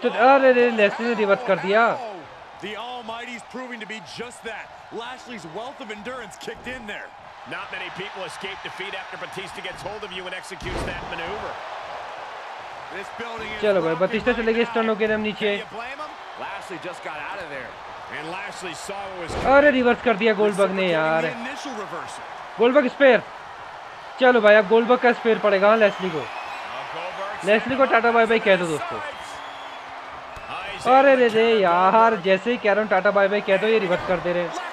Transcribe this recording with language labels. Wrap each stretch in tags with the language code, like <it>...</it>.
<hi>अरे रे लेस्ली ने रिवर्स कर दिया।</hi> <en>The Almighty's proving to be just that. Lashley's wealth of endurance kicked in there. Not many people escape defeat after Batista gets hold of you and executes that maneuver. This building is.</en> <hi>चलो भाई बतिस्टा चले गए stun होके एकदम नीचे।</hi> <en>Lashley just got out of there. And Lashley saw what was coming.</en> <hi>अरे reverse कर दिया गोल्डबग ने यार। Goldbug spare. चलो भाई अब गोल्डबग का स्पेयर पड़ेगा लेस्ली को। लेस्ली को टाटा बाय बाय कह दो दोस्तों। अरे रे यार जैसे ही कह रहा हूँ टाटा बाय बाय कह दो, ये रिवर्स कर दे रहे।</hi>